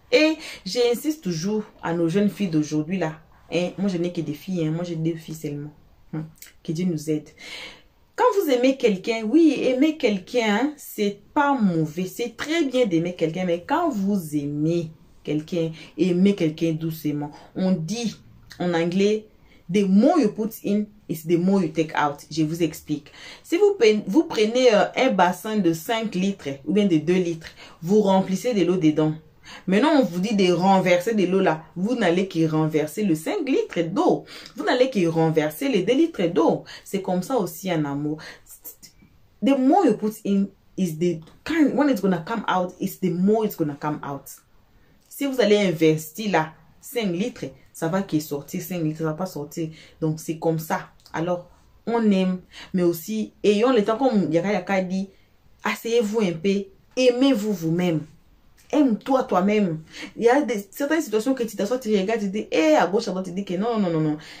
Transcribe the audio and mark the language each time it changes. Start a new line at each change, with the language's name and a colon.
French: Et j'insiste toujours à nos jeunes filles d'aujourd'hui là. Hein? Moi, je n'ai que des filles. Hein? Moi, j'ai deux filles seulement. Hein? Que Dieu nous aide. Quand vous aimez quelqu'un, oui, aimer quelqu'un, c'est pas mauvais. C'est très bien d'aimer quelqu'un. Mais quand vous aimez quelqu'un doucement. On dit en anglais,
English: the more you put in, it's the more you take out.
French: Je vous explique. Si vous prenez un bassin de 5 litres ou bien de 2 litres, vous remplissez de l'eau dedans. Maintenant, on vous dit de renverser de l'eau là. Vous n'allez que renverser le 5 litres d'eau. Vous n'allez que renverser les 2 litres d'eau. C'est comme ça aussi en amour.
English: The more you put in, is the kind, when it's going to come out, it's the more it's going to come out.
French: Si vous allez investir là 5 litres, ça va qui est sorti, ça ne va pas sortir. Donc, c'est comme ça. Alors, on aime, mais aussi, ayons le temps, comme Yaka Yaka dit, asseyez-vous un peu, aimez-vous vous-même. Aime-toi toi-même. Il y a certaines situations que tu t'assois, tu regardes, tu dis, hey, à gauche, à droite, tu dis que non, non, non, non.